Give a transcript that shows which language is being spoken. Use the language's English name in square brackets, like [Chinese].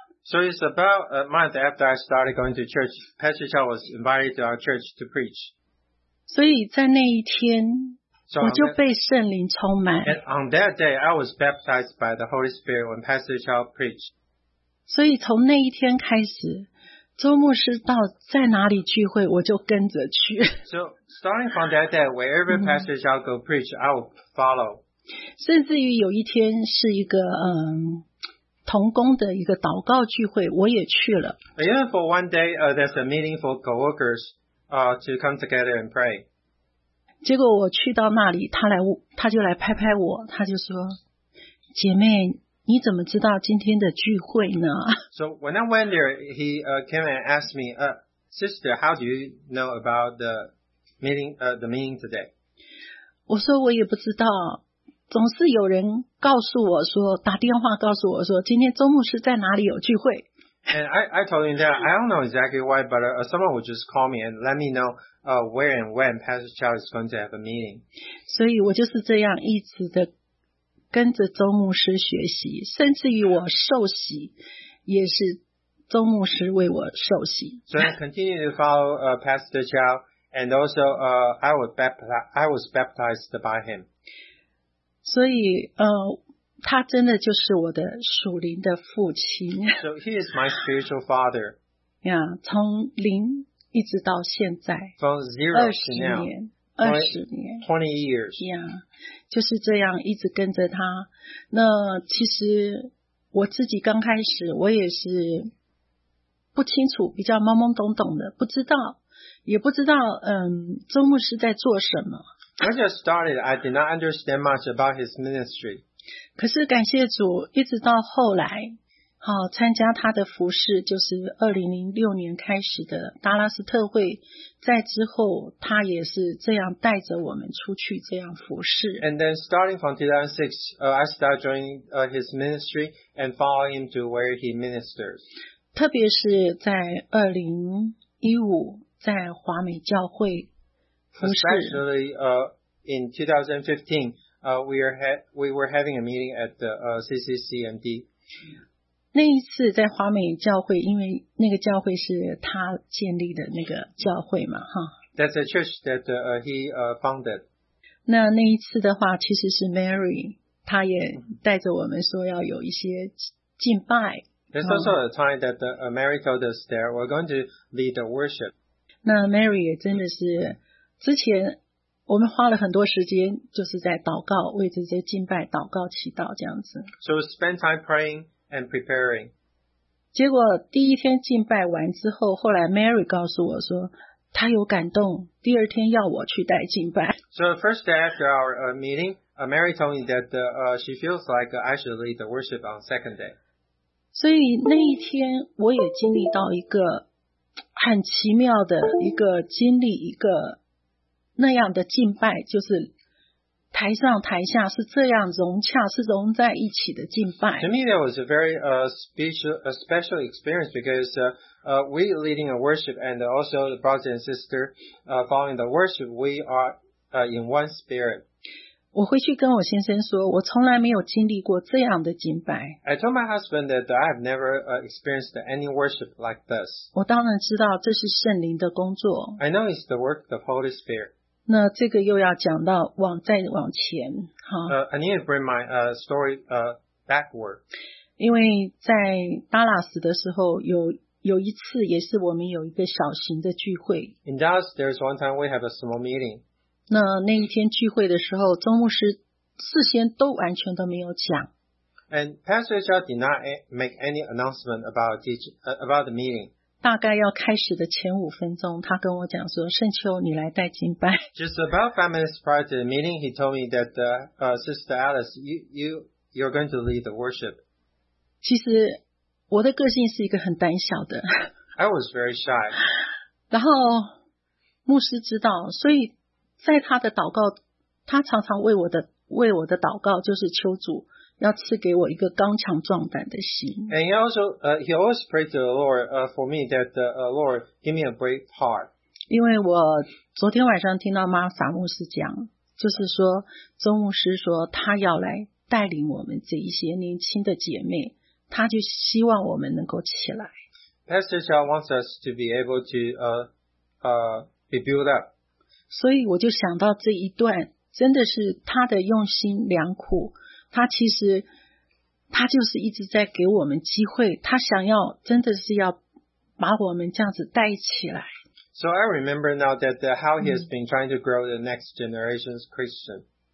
[English] So it's about a month after I started going to church, Pastor Chow was invited to our church to preach. [Chinese] 所以在那一天，我就被圣灵充满。 [English] And on that day, I was baptized by the Holy Spirit when Pastor Chow preached. [Chinese] 所以从那一天开始，周牧师到在哪里聚会，我就跟着去。 [English] So starting from that day, wherever Pastor Zhao go preach, I will follow. [Chinese] 甚至于有一天是一个同工的一个祷告聚会，我也去了。 [English] Even for one day, there's a meeting for coworkers, to come together and pray. [Chinese] 结果我去到那里，他就来拍拍我，他就说：“姐妹，你怎么知道今天的聚会呢？” [English] So when I went there, he came and asked me, "Sister, how do you know about the meeting, the meeting today. [Chinese] 我说我也不知道，总是有人告诉我说，打电话告诉我说，今天周牧师在哪里有聚会。 [English] And I told him that I don't know exactly why, but someone would just call me and let me know where and when Pastor Chow is going to have a meeting. [Chinese] 所以我就是这样一直的跟着周牧师学习，甚至于我受洗也是周牧师为我受洗。 [English] So I continue to follow Pastor Chow, and also I was baptized by him. [Chinese] 所以他真的就是我的属灵的父亲。 [English] So he is my spiritual father. [Chinese] Yeah, 从零一直到现在。 [English] From zero to now. 20 years. 20 years. [Chinese] Yeah, 就是这样一直跟着他。那其实我自己刚开始我也是不清楚，比较懵懵懂懂的，不知道，也不知道周牧师在做什么。 [English] When I just started, I did not understand much about his ministry. [Chinese] 可是感谢主，一直到后来，好参加他的服事，就是2006年开始的达拉斯特会，在之后他也是这样带着我们出去这样服事。 [English] And then starting from 2006, I started joining his ministry and following him to where he ministers. [Chinese] 特别是在2015在华美教会服事。 [English] Especially in 2015. We were having a meeting at the CCCMD. [Chinese] 那一次在华美教会，因为那个教会是他建立的那个教会嘛，哈。 [English] That's a church that he founded. [Chinese] 那一次的话，其实是 Mary， 他也带着我们说要有一些敬拜。 [English] There's also a time that Mary told us that we're going to lead the worship. [Chinese] 那 Mary 也真的是之前。我们花了很多时间就是在祷告，为这些敬拜祷告祈祷这样子。 [English] So spend time praying and preparing. [Chinese] 结果第一天敬拜完之后，后来 Mary 告诉我说她有感动，第二天要我去带敬拜。 [English] So the first day after our meeting, Mary told me that she feels like I should lead the worship on second day. [Chinese] 所以那一天我也经历到一个很奇妙的一个经历，一个那样的敬拜，就是台上台下是这样融洽，是融在一起的敬拜。 [English] To me, that was a very special experience because we leading a worship and also the brother and sister following the worship, we are in one spirit. [Chinese] 我回去跟我先生说，我从来没有经历过这样的敬拜。 [English] I told my husband that I have never experienced any worship like this. [Chinese] 我当然知道这是圣灵的工作。 [English] I know it's the work of the Holy Spirit. [Chinese] 那这个又要讲到再往前 [English] I need to bring my story backward. [Chinese] 因为在达拉斯的时候有一次也是我们有一个小型的聚会。 [English] In Dallas, there's one time we have a small meeting. [Chinese] 那一天聚会的时候，周牧师事先都完全都没有讲。 [English] And Pastor Chow did not make any announcement about the meeting. [Chinese] 大概要开始的前五分钟，他跟我讲说：“圣秋，你来带敬拜。” [English] Just about 5 minutes prior to the meeting, he told me that Sister Alice, you're going to lead the worship. [Chinese] 其实我的个性是一个很胆小的。 [English] I was very shy. [Chinese] 然后牧师知道，所以在他的祷告，他常常为我的祷告，就是求主要赐给我一个刚强壮胆的心。 [English] And he always prayed to the Lord for me that the Lord give me a brave heart. [Chinese] 因为我昨天晚上听到玛莎牧师讲，就是说周牧师说他要来带领我们这一些年轻的姐妹，他就希望我们能够起来。 [English] Pastor Chow wants us to be able to be built up. [Chinese] 所以我就想到这一段，真的是他的用心良苦。他其实他就是一直在给我们机会，他想要真的是要把我们这样子带起来。 [English] So I remember now that how he has been trying to grow the next generation's Christian.